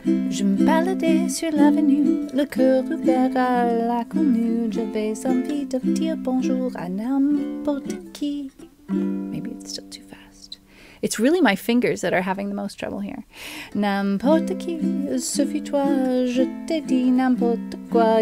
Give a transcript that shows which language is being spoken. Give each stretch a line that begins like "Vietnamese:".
French: Je me baladais sur l'avenue, le cœur ouvert à l'inconnu. J'avais envie de dire bonjour à n'importe qui.
English: Maybe it's still too fast. It's really my fingers that are having the most trouble here.
French: N'importe qui, suffit toi, je t'ai dit n'importe quoi.